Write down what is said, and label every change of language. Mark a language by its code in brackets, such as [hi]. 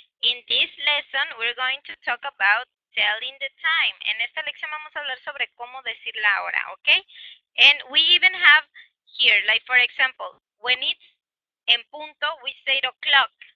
[en] In this lesson, we're going to talk about telling the time. [es] En esta lección vamos a hablar sobre cómo decir la hora, okay? [en] And we even have here, like for example, when it's en punto, we say 8 o'clock.